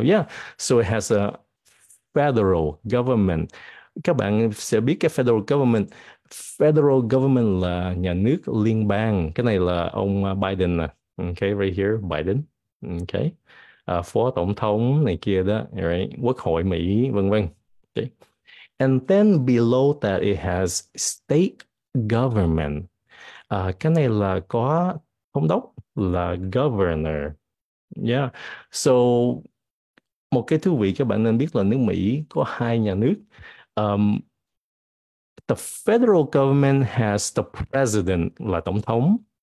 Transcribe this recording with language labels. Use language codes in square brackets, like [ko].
[en] Yeah, so it has a federal government. [vi] Các bạn sẽ biết cái federal government. Federal government là nhà nước liên bang. Cái này là ông Biden nè. Okay, right here, Biden. Okay. Phó tổng thống này kia đó, right? Quốc hội Mỹ, vân vân. Okay. [en] And then below that it has state government. [vi] Cái này là có thống đốc, là governor. Yeah. So một cái thú vị các bạn nên biết là nước Mỹ có hai nhà nước. [en] The federal government has the president, [vi] là tổng thống.